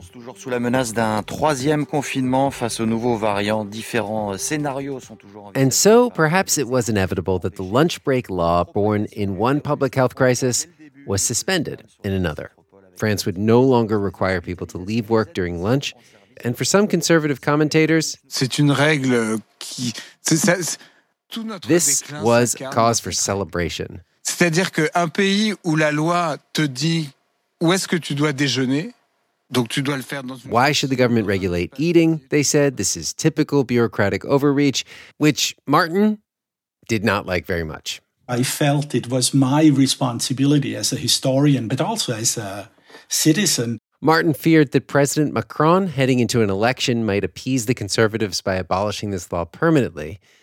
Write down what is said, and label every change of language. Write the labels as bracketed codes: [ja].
[fr] Toujours sous la menace d'un troisième confinement face aux nouveaux variants, différents scénarios sont toujours. [en] And so, perhaps it was inevitable that the lunch break law, born in one public health crisis, was suspended in another. France would no longer require people to leave work during lunch. And for some conservative commentators, this was cause for celebration. [fr] C'est-à-dire que un pays où la loi te dit où est-ce que tu dois déjeuner, donc tu dois le faire dans. [en] Why should the government regulate eating? They said this is typical bureaucratic overreach, which Martin did not like very much. I felt it was my responsibility as a historian, but also as a citizen. Martin feared that President Macron heading into an election might appease the conservatives by abolishing this law permanently.